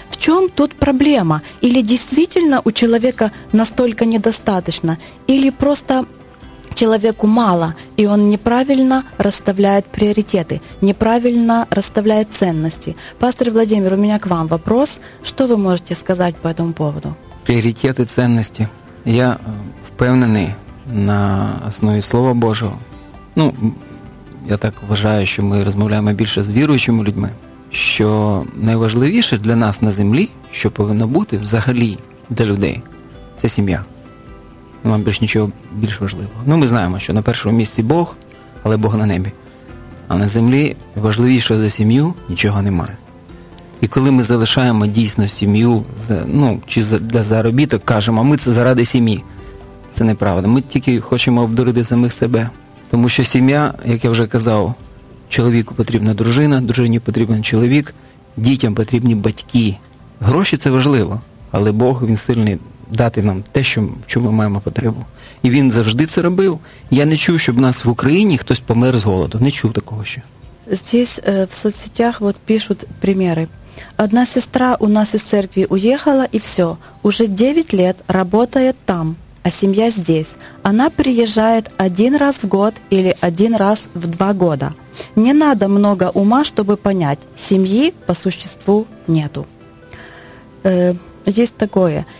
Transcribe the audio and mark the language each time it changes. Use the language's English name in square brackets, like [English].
[Russian] В чем тут проблема? Или действительно у человека настолько недостаточно? Или просто человеку мало, и он неправильно расставляет приоритеты, неправильно расставляет ценности. Пастор Владимир, у меня к вам вопрос. Что вы можете сказать по этому поводу? Приоритеты, ценности. [Ukrainian] Я впевнений на основі Слова Божого. Ну, я так вважаю, що ми розмовляємо більше з віруючими людьми, що найважливіше для нас на землі, що повинно бути взагалі для людей, це сім'я. Нам більш нічого більш важливого. Ну, ми знаємо, що на першому місці Бог, але Бог на небі. А на землі важливіше за сім'ю нічого немає. І коли ми залишаємо дійсно сім'ю, ну, чи для заробіток, кажемо, а ми це заради сім'ї. Це неправда. Ми тільки хочемо обдурити самих себе. Тому що сім'я, як я вже казав, чоловіку потрібна дружина, дружині потрібен чоловік, дітям потрібні батьки. Гроші – це важливо, але Бог, він сильний, дати нам те, що, в чому ми маємо потребу. І він завжди це робив. Я не чув, щоб в нас в Україні хтось помер з голоду. Не чув такого ще. [Russian] Здесь в соцсетях вот пишуть примери. Одна сестра у нас із церкви уехала, і все. Уже 9 лет работает там, а сім'я здесь. Она приезжает один раз в год или один раз в 2 года. Не надо много ума, чтобы понять, сім'ї по существу нету. Есть такое.